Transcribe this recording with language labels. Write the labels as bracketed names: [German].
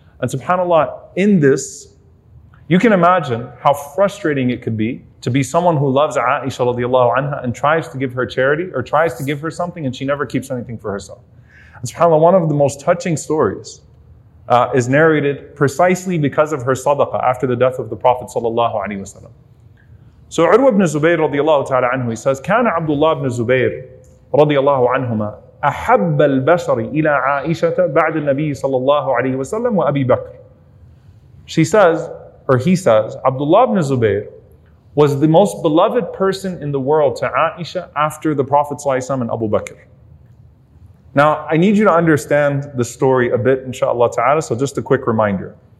[English] And subhanAllah, in this, you can imagine how frustrating it could be to be someone who loves Aisha radiallahu anha and tries to give her charity or tries to give her something and she never keeps anything for herself. And subhanAllah, one of the most touching stories is narrated precisely because of her sadaqah after the death of the Prophet sallallahu alayhi wa sallam. So Urwa ibn Zubayr radiallahu ta'ala anhu, he says, [Arabic] كان عبد الله بن زبير radiallahu anhuما أحب البشر إلى عائشة بعد النبي صلى الله عليه وسلم وأبي بكر. [English] She says, or he says, Abdullah ibn Zubayr was the most beloved person in the world to Aisha after the Prophet ﷺ and Abu Bakr. Now, I need you to understand the story a bit, inshaAllah ta'ala, so just a quick reminder.